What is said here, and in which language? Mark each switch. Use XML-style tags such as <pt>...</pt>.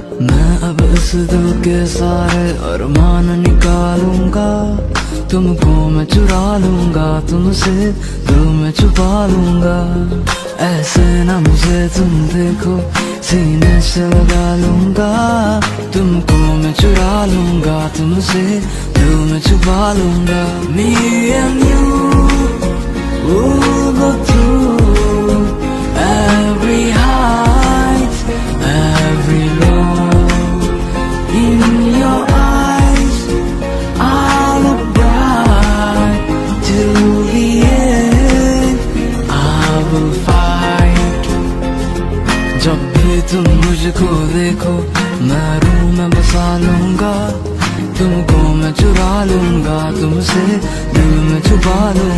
<hi>मैं अब इस दिल के सारे अरमान निकालूंगा, तुमको मैं चुरा लूंगा, तुमसे दिल में छुपा लूंगा। ऐसे ना मुझे तुम देखो सीने से लगा लूंगा, तुमको मैं चुरा लूंगा, तुमसे दिल में छुपा लूंगा।</hi> <en>Me and you, we'll go through every height, every low, in your eyes, I'll abide till the end, I will fight।</en> <hi>जब भी तुम मुझको देखो मैं रूह में बसा लूंगा, तुमको मैं चुरा लूंगा, तुमसे दिल में छुपा लूंगा।</hi>